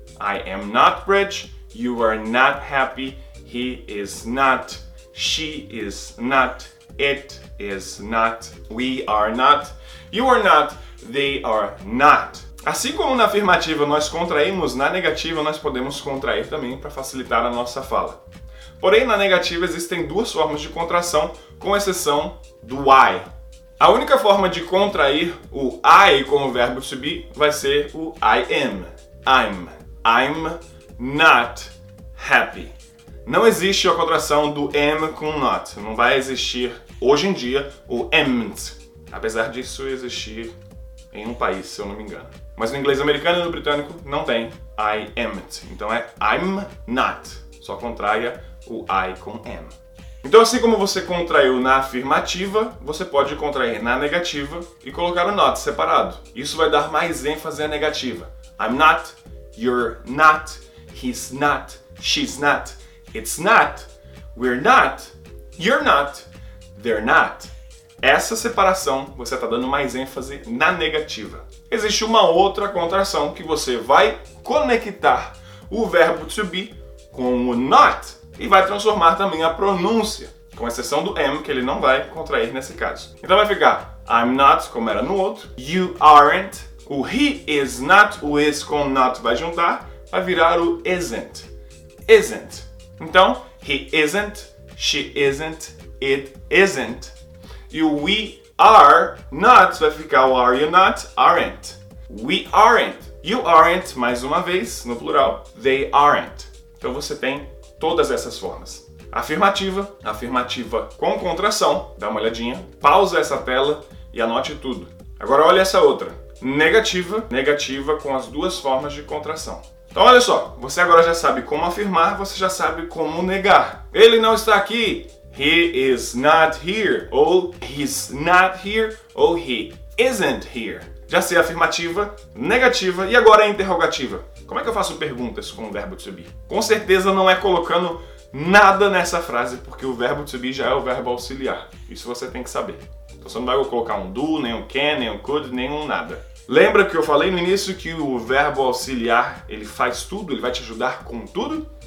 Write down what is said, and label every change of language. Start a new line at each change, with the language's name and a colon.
English: I am not rich, you are not happy, he is not, she is not, it is not, we are not, you are not, they are not.
Portuguese: Assim como na afirmativa nós contraímos, na negativa nós podemos contrair também para facilitar a nossa fala. Porém, na negativa existem duas formas de contração, com exceção do I. A única forma de contrair o I com o verbo to be vai ser o I am.
English: I'm not happy.
Portuguese: Não existe a contração do am com not. Não vai existir, hoje em dia, o am't. Apesar disso existir em um país, se eu não me engano. Mas no inglês americano e no britânico não tem I am't. Então é I'm not. Só contraia o I com am. Então, assim como você contraiu na afirmativa, você pode contrair na negativa e colocar o not separado. Isso vai dar mais ênfase à negativa.
English: I'm not, you're not, he's not, she's not, it's not, we're not, you're not, they're not.
Portuguese: Essa separação, você está dando mais ênfase na negativa. Existe uma outra contração que você vai conectar o verbo to be com o not e vai transformar também a pronúncia, com exceção do am, que ele não vai contrair nesse caso. Então vai ficar I'm not, como era no outro, you aren't, o he is not, o is com not vai juntar, vai virar o isn't. Isn't. Então, he isn't, she isn't, it isn't. E o we are not vai ficar o are you not, aren't.
English: We aren't, you aren't,
Portuguese: mais uma vez, no plural,
English: they aren't.
Portuguese: Então você tem todas essas formas. Afirmativa, afirmativa com contração, dá uma olhadinha, pausa essa tela e anote tudo. Agora olha essa outra. Negativa, negativa com as duas formas de contração. Então olha só, você agora já sabe como afirmar, você já sabe como negar. Ele não está aqui.
English: He is not here, ou he's not here, ou he isn't here.
Portuguese: Já sei afirmativa, negativa e agora a interrogativa. Como é que eu faço perguntas com o verbo to be? Com certeza não é colocando nada nessa frase, porque o verbo to be já é o verbo auxiliar. Isso você tem que saber. Então você não vai colocar um do, nem um can, nem um could, nem um nada. Lembra que eu falei no início que o verbo auxiliar, ele faz tudo, ele vai te ajudar com tudo?